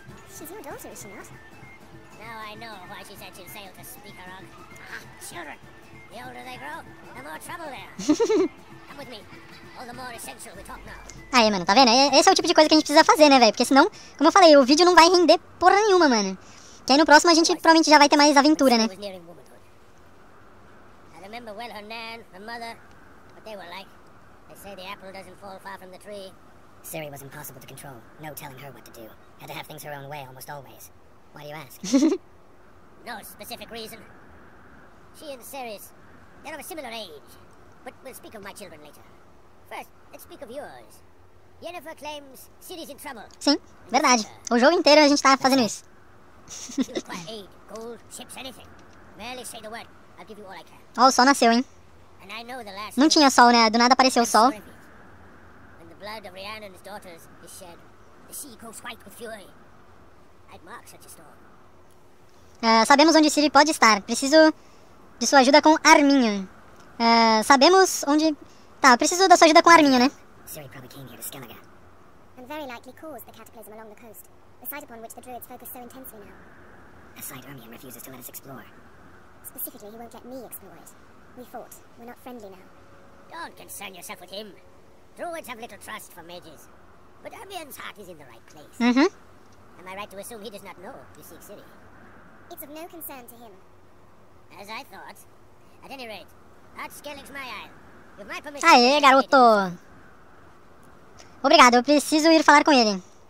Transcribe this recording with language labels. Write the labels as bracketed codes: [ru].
[en] She's your daughter, is she not? Now I know why she said she sailed to speak her own. Ah, children. The older they grow, the more trouble there. Come with me. All the more essential we talk now. [pt] Aí, mano, tá vendo? Esse é o tipo de coisa que a gente precisa fazer, né, velho? Porque senão, como eu falei, o vídeo não vai render porra nenhuma, mano. Que aí no próximo a gente provavelmente já vai ter mais aventura, né? [en] I remember well her nan, her mother, what they were like. They say the apple doesn't fall far from the tree. Siri was impossible to control. No telling her what to do. Had to have things her own way almost always. Why do you ask? No specific reason. She and Ceres, they're of a similar age. But we'll speak of my children later. First, let's speak of yours. Yennefer claims Ciri's in trouble. [pt] Sim, verdade. O jogo inteiro a gente tá fazendo isso. [en] She'll acquire aid, gold, ships, anything. Merely say the word. I'll give you all I can. [pt] Oh, o sol nasceu, hein? [en] And I know the last. [pt] Não tinha sol, né? Do nada apareceu o sol. [en] blood of Rhiannon's daughters is shed, the sea grows white with fury. I'd mark such a storm. [pt] Sabemos onde Ciri pode estar. Preciso de sua ajuda com Arminho. Sabemos onde... Tá, preciso da sua ajuda com Arminho, né? Ciri provavelmente veio aqui para Skellige. E muito provavelmente causou o cataclismo [en] along the coast, the site upon which the druids focus so intensely now. A site Arminho refuses to let us explore. Specifically, he won't let me explore it. We fought. We're not friendly now. Don't concern yourself with him. Druids have little trust for mages. But Arminho's heart is in the right place. Uh-huh. Am I right to assume he does not know you seek Ciri? It's of no concern to him. As I thought. At any rate, that's Skellig's my isle. With my [pt] permission. Aê, garoto! Obrigado, eu preciso ir falar com ele.